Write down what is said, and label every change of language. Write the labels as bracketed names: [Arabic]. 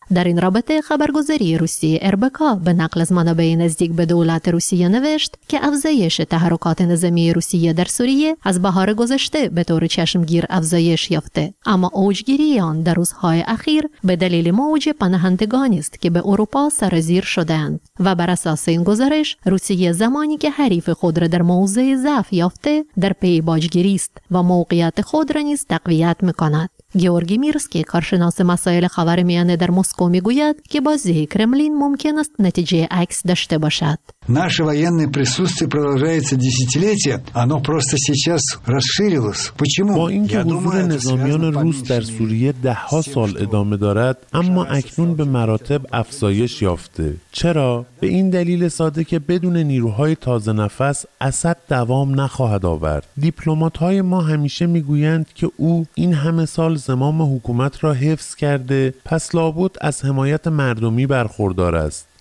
[Persian] در این رابطه خبرگزاری روسیه اربکا به نقل از منابع نزدیک به دولت روسیه نوشت که افزایش تحرکات نظامی روسیه در سوریه از بهار گذشته به طور چشمگیر افزایش یافته، اما اوجگیری آن در روزهای اخیر به دلیل موج پناهندگان است که به اروپا سرازیر شدند و بر اساس این گزارش روسیه زمانی که حریف خود را در موضع ضعف یافته در پی باجگیری است و موقعیت خود را نیز تقویت می‌کند. گیورگی میرسکی کارشناس مسائل خاورمیانه در مسکو میگوید که بازی کرملین ممکن است نتیجه عکس داشته باشد. [Russian] Наше военное присутствие продолжается десятилетия, оно просто сейчас расширилось. Почему? Я думаю, [Persian] حضور نظامیان روس در سوریه ده ها سال ادامه دارد، اما اکنون به مراتب افزایش یافته. چرا؟ به این دلیل ساده که بدون نیروهای تازه نفس اسد دوام نخواهد آورد. دیپلمات‌های ما همیشه میگویند که او این همه سال زمام حکومت را حفظ کرده، پس لابد از حمایت مردمی برخوردار است.